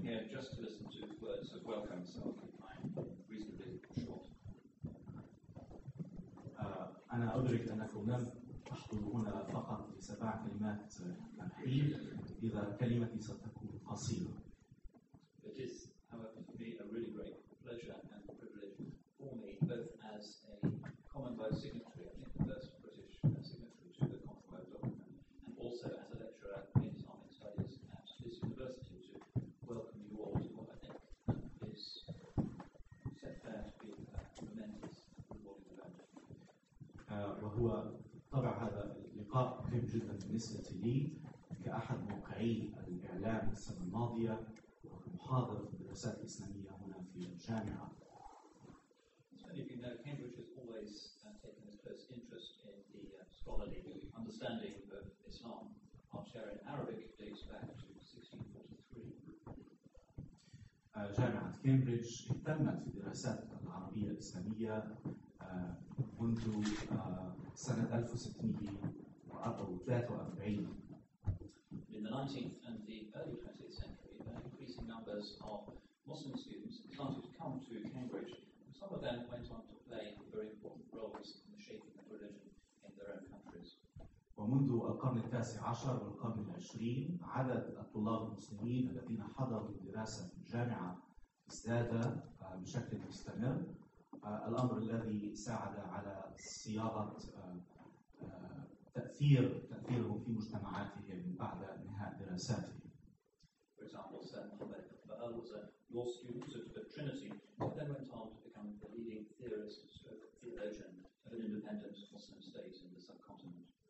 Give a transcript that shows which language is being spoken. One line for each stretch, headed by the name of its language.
English: Just to listen to words of welcome, so I'll keep mine reasonably short.
Arabic: أنا أدرك أنكم لم تحضروا هنا فقط لسبع كلمات تمهيد إذا كلمتي ستكون أصيلة.
English: It is, however, to me a really great pleasure and privilege for me, both as a Commonwealth signatory, I think the first British signatory to the Commonwealth document, and also as a lecturer in Islamic studies at this university, to welcome you all to what I think is set fair to be a momentous rewarding event.
Arabic: وهو طبع هذا اللقاء مهم جدا بالنسبة لي كأحد موقعي الإعلام السنة الماضية ومحاضر في الدراسات الإسلامية هنا في الجامعة.
English: So if you know, Cambridge has always taken its close interest in the scholarly understanding of Islam. Our share in Arabic dates back to 1643.
Arabic: جامعة كامبريدج اهتمت في الدراسات العربية الإسلامية منذ سنة 1643.
English: In the 19th and the early 20th century, increasing numbers of Muslim students started to come to Cambridge. Some of them went on to play very important roles in the shaping of religion in their own countries.
Arabic: ومنذ القرن التاسع عشر والقرن العشرين، عدد الطلاب المسلمين الذين حضروا الدراسة في الجامعة ازداد بشكل مستمر. الأمر الذي ساعد على صياغة تأثيرهم في مجتمعاتهم بعد نهاية دراساتهم.
English: For example, Sir Muhammad Ba'al was a law student at the Trinity, but then went on to become the leading theorist or theologian of an independent Muslim state in the subcontinent.